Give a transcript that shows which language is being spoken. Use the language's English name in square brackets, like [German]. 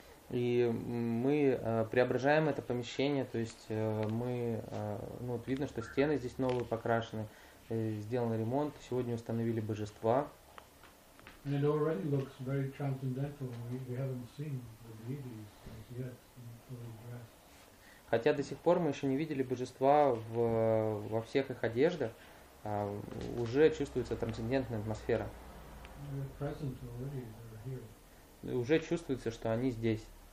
[Russian] И мы преображаем это помещение, то есть вот видно, что стены здесь новые покрашены, сделан ремонт, сегодня установили божества. [English] It already looks very transcendental. We haven't seen the deities yet fully dressed. [Russian] Хотя до сих пор мы еще не видели божества во всех их одеждах, уже чувствуется трансцендентная атмосфера. [English] They're present already. They're here. [Russian] Уже чувствуется, что они здесь.